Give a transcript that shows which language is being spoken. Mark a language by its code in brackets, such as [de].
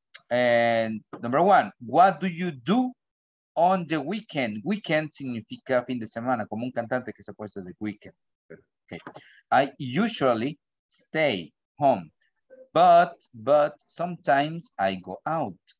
[en] And number one, what do you do on the weekend? [es] Weekend significa fin de semana, como un cantante que se ha puesto de weekend. [en] Okay. I usually stay home, but sometimes I go out.